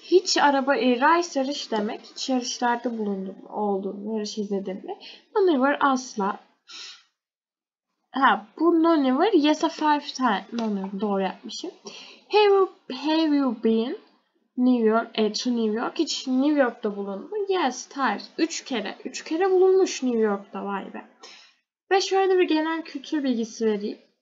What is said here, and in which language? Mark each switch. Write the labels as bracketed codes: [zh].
[tr] Hiç araba, race yarış demek. Hiç yarışlarda bulundun mu? Oldun mu? Yarış izledin mi? [en] No, never, [tr] asla. Ha, bu [en] no never, yes a five times. No never, [tr] doğru yapmışım. [en] Have you been to New York? [tr] Hiç New York'ta bulundun mu? [en] Yes, times. [tr] 3 kere. 3 kere bulunmuş New York'ta, vay be. Ve şöyle bir genel kültür bilgisi vereyim.